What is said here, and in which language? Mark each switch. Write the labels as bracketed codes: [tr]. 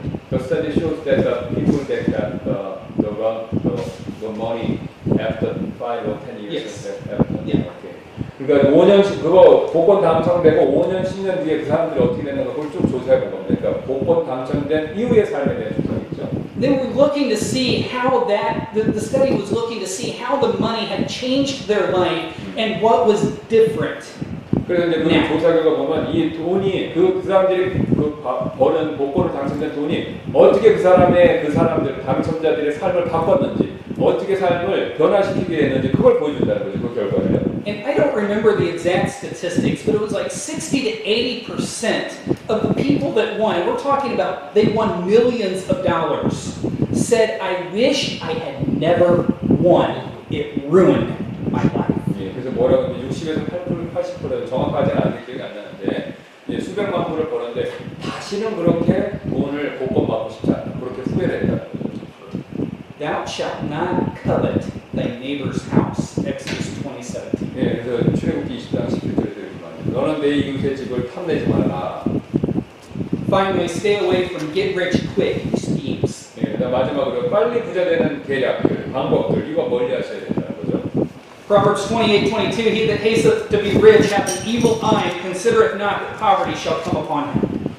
[en] The study shows that the people that got the money after 5 or 10 years. Yes. [ko] 그러니까 5년, 그거 복권 당첨되고 5년, 10년 뒤에 그 사람들이 어떻게 됐는가 그걸 쭉 조사해 본 겁니다. 그러니까 복권 당첨된 이후의 삶에 대한 조사겠죠. [en] They were looking to see how that, the study was looking to see how the money had changed their life and what was different. [ko] 그래서 이제 그 조사 결과 보면 이 돈이, 그 사람들이 그 버는 복권을 당첨된 돈이 어떻게 그 사람들, 당첨자들의 삶을 바꿨는지 어떻게 삶을 변화시키게 됐는지 그걸 보여준다는 거죠, 그 결과예요. [en] And I don't remember the exact statistics, but it was like 60-80% of the people that won, we're talking about they won millions of dollars, said, I wish I had never won. It ruined my life. [ko] 예, 그래서 뭐라고 하면 60에서 80% 정확하지는 않은 기억이 안 나는데 예, 수백만 불을 버는데 다시는 그렇게 돈을 복권 받고 싶지 않다. 그렇게 후회를 했다는 거죠. [en] Thou shalt not covet thy neighbor's house. Exodus 20:17. [ko] 예, 그래서 출애굽기 20장 11절에 너는 내 이웃의 집을 탐내지 말라. [en] Finally, stay away from get rich quick schemes. [ko] 예, 그다음 마지막으로 빨리 부자 되는 계략들, 방법들 이거 멀리 하셔야 된다는 거죠. [en] Proverbs 28:22. He that hasteth to be rich hath an evil eye, considereth not that poverty shall come upon him.